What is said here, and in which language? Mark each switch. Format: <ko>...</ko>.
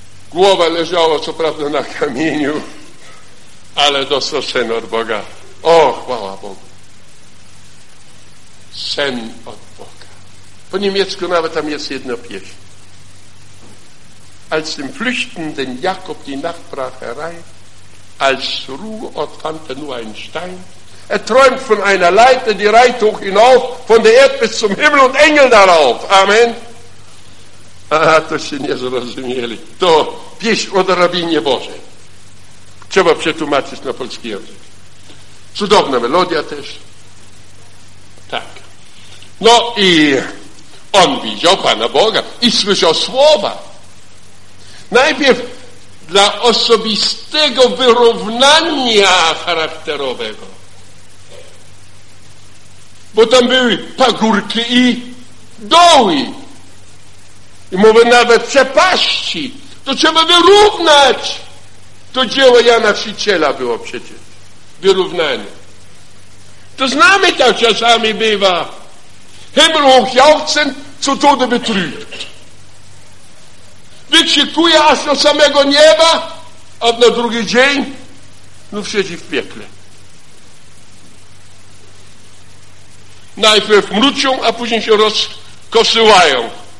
<pl>Głowa leżała co prawda na kamieniu, ale dostał sen od Boga. O, chwała Bogu. Sen od Boga. Po niemiecku nawet tam jest jedna pieśń.</pl> <de>Als im Flüchten den Jakob die Nacht brach herein, als Ruhe und fanden nur ein Stein, träumt von einer Leiter, die reiht hoch hinauf, von der Erde bis zum Himmel und Engel darauf.</de> <pl>Amen. A to się nie zrozumieli. To pieśń o drabinie Bożej. Trzeba przetłumaczyć na polski język. Cudowna melodia też. Tak. No i on widział Pana Boga i słyszał słowa. Najpierw dla osobistego wyrównania charakterowego. Bo tam były pagórki i doły. I mówię, nawet przepaści. To trzeba wyrównać. To dzieło Jana Chrzciciela było przecież wyrównane. To z nami tak czasami bywa.</pl> <de>Himmel hoch jauchzen, zu Tode betrübt.</de> <pl>Wykrzykuje aż do samego nieba, a na drugi dzień no siedzi w piekle. Najpierw mruczą, a później się rozkosyłają.</pl>